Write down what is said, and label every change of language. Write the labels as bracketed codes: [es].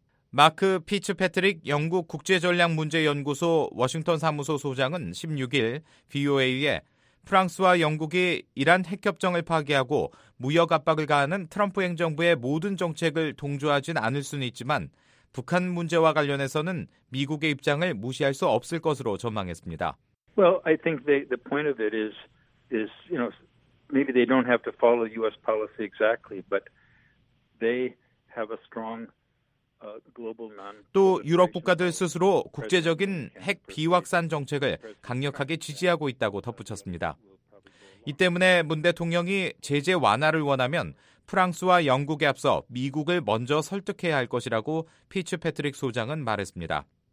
[ko] 마크 피츠패트릭 영국 국제전략문제연구소 워싱턴 사무소 소장은 16일 VOA에 프랑스와 영국이 이란 핵협정을 파기하고 무역 압박을 가하는 트럼프 행정부의 모든 정책을 동조하진 않을 수는 있지만 북한 문제와 관련해서는 미국의 입장을 무시할 수 없을 것으로 전망했습니다. [en] Well, I think the point of it is you know maybe they don't have to follow US policy exactly but they have a strong [ko] 또 유럽 국가들 스스로 국제적인 핵 비확산 정책을 강력하게 지지하고 있다고 덧붙였습니다. 이 때문에 문 대통령이 제재 완화를 원하면 프랑스와 영국에 앞서 미국을 먼저 설득해야 할 것이라고 피츠패트릭 소장은 말했습니다.